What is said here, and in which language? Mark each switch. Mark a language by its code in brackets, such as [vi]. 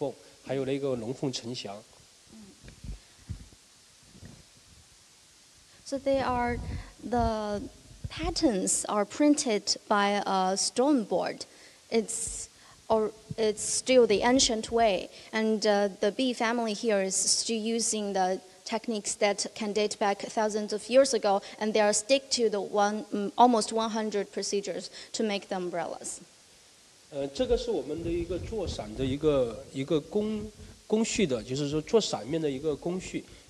[zh] 你们现在还是用这100多道工序在做上。对，我们一直都是坚持这个全手工制作。像这个伞的图案，我们叫做百鸟朝凤，也是我们比较传统的一个图案。回头我会给你介绍，这个图案它是通过石板印刷制作成的。这种图案有这个百鸟朝凤的，还有这个叫做双凤朝阳，这个叫百鸟朝凤，还有那个龙凤呈祥。 [en] So they are, the patterns are printed by a stone board. It's still the ancient way. And the bee family here is still using the techniques that can date back thousands of years ago. And they are stick to the almost 100 procedures to make the umbrellas. [zh] 这个是我们的一个做伞的一个工序的，就是说做伞面的一个工序。